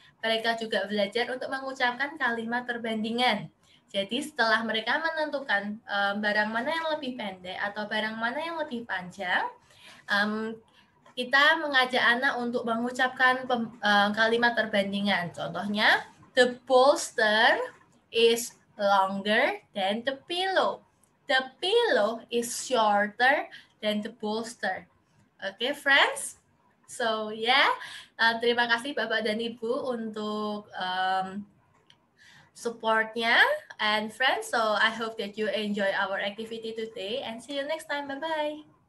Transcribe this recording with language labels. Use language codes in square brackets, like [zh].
[id] Mereka juga belajar untuk mengucapkan kalimat perbandingan. Jadi setelah mereka menentukan barang mana yang lebih pendek atau barang mana yang lebih panjang, kita mengajak anak untuk mengucapkan kalimat perbandingan. [en] Contohnya, the bolster is longer than the pillow. The pillow is shorter than the bolster. Okay, friends? So, yeah. [id] Terima kasih Bapak dan Ibu untuk supportnya. [en] And friends, so I hope that you enjoy our activity today. And see you next time. Bye-bye.